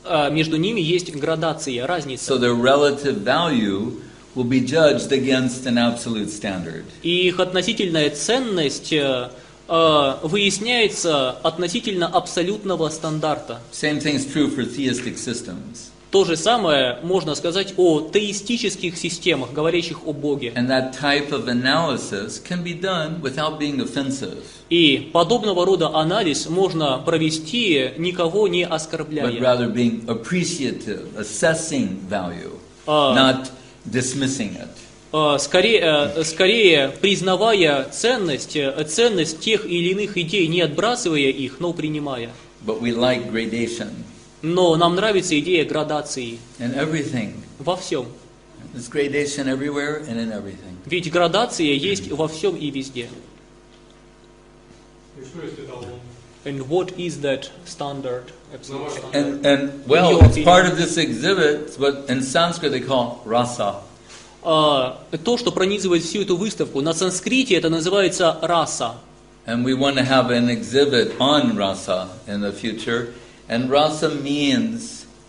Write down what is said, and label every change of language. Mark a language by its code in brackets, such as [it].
[ru] Между ними есть градация, разница. [en] So their relative value will be judged against an absolute standard. [ru] И их относительная ценность выясняется относительно абсолютного стандарта. [en] Same thing is true for theistic systems. [ru] То же самое можно сказать о теистических системах, говорящих о Боге. [en] And that type of analysis can be done without being offensive. [ru] И подобного рода анализ можно провести, никого не оскорбляя. [en] But rather being appreciative, assessing value, not dismissing it. [ru] Скорее признавая ценность тех или иных идей, не отбрасывая их, но принимая. [en] But we like gradation. [ru] Но нам нравится идея градации. [en] In everything. [ru] Во всем. [en] There's gradation everywhere and in everything. [ru] Ведь градация есть во всем и везде. [en] And what is that standard? And well, it's part of this exhibit, but in Sanskrit they call rasa. [ru] То, что пронизывает всю эту выставку, на санскрите это называется раса. [en] And we want to have an exhibit on rasa in the future. And rasa means